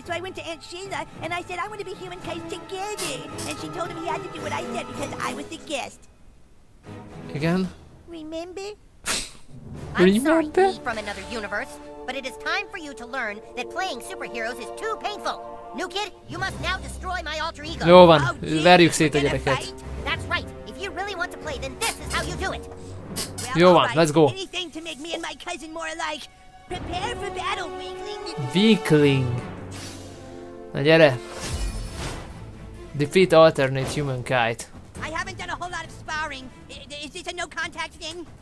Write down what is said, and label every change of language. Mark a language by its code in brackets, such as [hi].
[en] So I went to Aunt Sheila and I said, I want to be human kites together. And she told him he had to do what I said because I was the guest. Again? Remember? Remember? I'm sorry, me from another universe, but it is time for you to learn that playing superheroes is too painful. New kid, you must now destroy my alter ego. [hu] Jó van, verjük szét a gyereket. [en] That's right. If you really want to play, then this is how you do it. [hu] Jó van, [en] let's go. Anything to make me and my cousin more alike. Prepare for battle, weakling. Weakling. [hu] Na gyere. [en] Defeat alternate human kite. I haven't done a whole lot of sparring. Is this a no contact thing?